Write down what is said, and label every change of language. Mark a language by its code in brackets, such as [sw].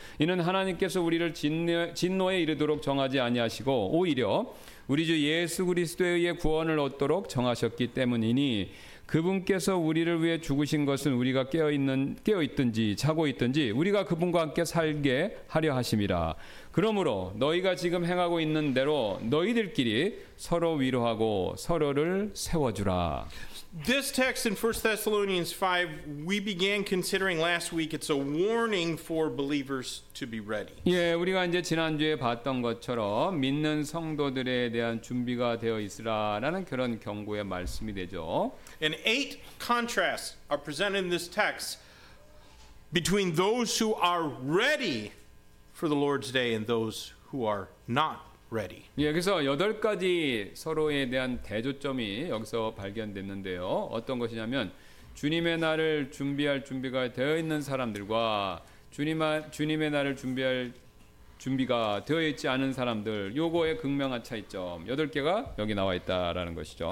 [ko] 이는 하나님께서 우리를 진노에 이르도록 정하지 아니하시고 오히려 우리 주 예수 그리스도에 의해 구원을 얻도록 정하셨기 때문이니 그분께서 우리를 위해 죽으신 것은 우리가 깨어 있든지 자고 있든지 우리가 그분과 함께 살게 하려 하심이라. 그러므로 너희가 지금 행하고 있는 대로 너희들끼리 서로 위로하고 서로를 세워주라. [en] This text in 1 Thessalonians 5 we began considering last week. It's a warning for believers to be ready. [ko] 예, 우리가 이제 지난주에 봤던 것처럼 믿는 성도들에 대한 준비가 되어 있으라라는 그런 경고의 말씀이 되죠. [en] And 8 contrasts are presented in this text between those who are ready for the Lord's day and those who are not ready. [ko] 예, 그래서 여덟 가지 서로에 대한 대조점이 여기서 발견됐는데요. 어떤 것이냐면 주님의 날을 준비할 준비가 되어 있는 사람들과 주님의 날을 준비할 준비가 되어 있지 않은 사람들 요거의 극명한 차이점 여덟 개가 여기 나와 있다라는 것이죠.